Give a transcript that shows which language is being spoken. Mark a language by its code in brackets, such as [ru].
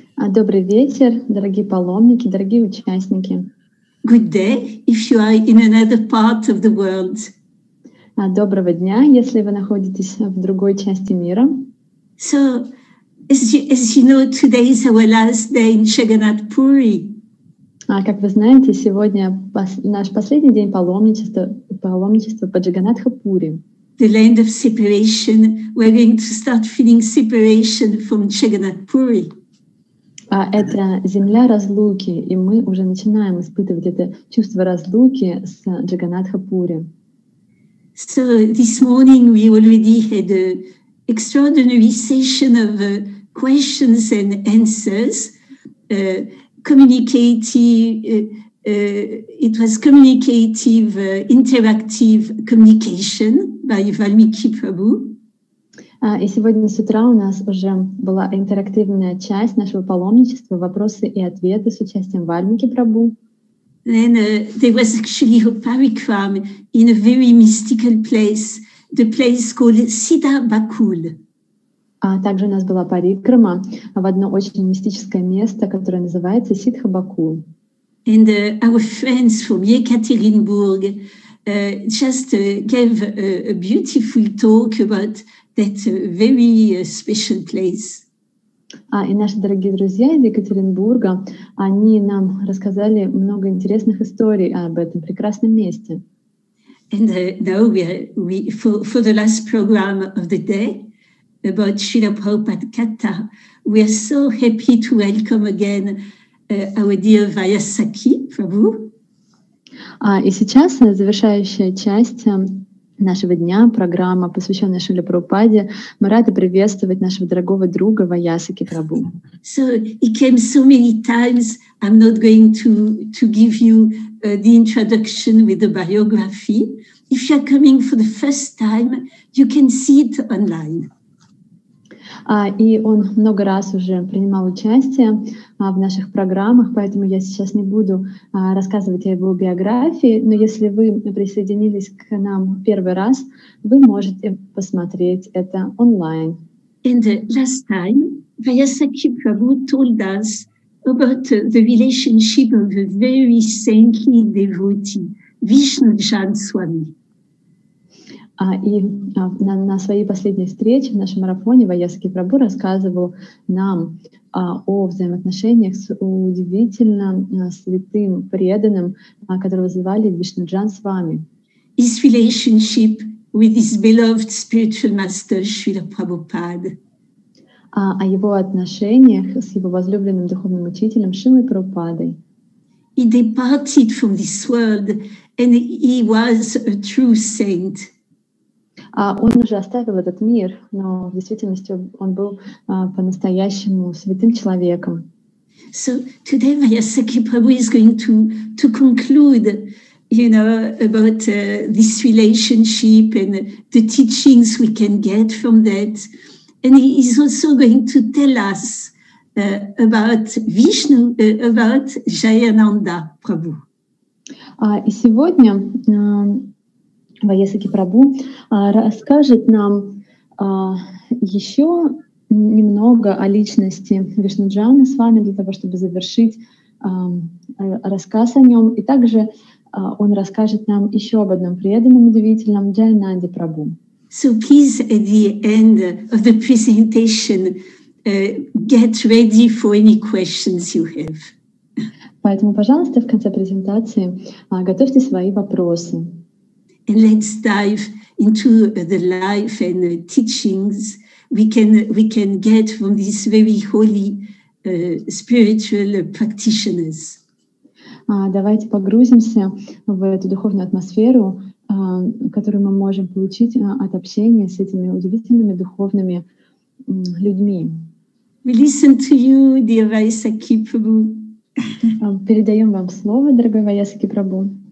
[ru] Добрый вечер, дорогие паломники, дорогие участники. [en] Good day, if you are in another part of the world. [ru] Доброго дня, если вы находитесь в другой части мира. [en] So, as you know, today is our last day in Jagannath Puri. [ru] Как вы знаете, сегодня наш последний день паломничества по Джаганнатха-пури. [en] The land of separation, we're going to start feeling separation from Jagannath Puri. [ru] Это земля разлуки, и мы уже начинаем испытывать это чувство разлуки с Джаганнатха-пури. [en] So this morning we already had an extraordinary session of questions and answers, interactive communication by Valmiki Prabhu. [ru] И сегодня с утра у нас уже была интерактивная часть нашего паломничества, вопросы и ответы с участием Вальмики Прабу. [en] Then there was actually a parikram in a very mystical place, the place called Siddha Bakul. [ru] Также у нас была парикрама в одно очень мистическое место, которое называется Сиддха Бакул. [en] And our friends from Yekaterinburg gave a beautiful talk about that very special place. [ru] И наши дорогие друзья из Екатеринбурга, они нам рассказали много интересных историй об этом прекрасном месте. [en] And now we for the last program of the day about Srila Prabhupada Katha, we are so happy to welcome again our dear Vyasaki Prabhu. [ru] И сейчас завершающая часть нашего дня, программа, посвященная Шриле Прабхупаде, мы рады приветствовать нашего дорогого друга Ваясаки Прабу. [en] So he came so many times. I'm not going to give you the introduction with the biography. If you are coming for the first time, you can see it online. [ru] И он много раз уже принимал участие в наших программах, поэтому я сейчас не буду рассказывать о его биографии, но если вы присоединились к нам первый раз, вы можете посмотреть это онлайн. [en] And last time, Vyasaki Prabhu told us about the relationship of a very saintly devotee, Vishnujan Swami. [ru] И на своей последней встрече в нашем марафоне Ваясаки Прабу рассказывал нам о взаимоотношениях с удивительно святым преданным, которого звали Вишнуджан Свами. [en] His relationship with his beloved spiritual master Srila Prabhupada. [ru] О его отношениях с его возлюбленным духовным учителем Шрилой Прабхупадой. [en] He departed from this world and he was a true saint. [ru] Он уже оставил этот мир, но в действительности он был по-настоящему святым человеком. [en] So today Vyasaki Prabhu is going to conclude, you know, about this relationship and the teachings we can get from that. And he is also going to tell us about Vishnu, about Jayananda Prabhu. [ru] И сегодня Ваясаки Прабу расскажет нам еще немного о личности Вишнуджана с вами для того, чтобы завершить рассказ о нем. И также он расскажет нам еще об одном преданном удивительном Джайананде Прабу. [en] So please, at the end of the presentation, get ready for any questions you have. [ru] Поэтому, пожалуйста, в конце презентации готовьте свои вопросы. [en] And let's dive into the life and the teachings we can get from these very holy spiritual practitioners. [ru] Давайте погрузимся в эту духовную атмосферу, которую мы можем получить от общения с этими удивительными духовными людьми. [en] We listen to you, dear Vyasaki Prabhu. [ru] Передаем вам слово, дорогой Ваясаки Прабу.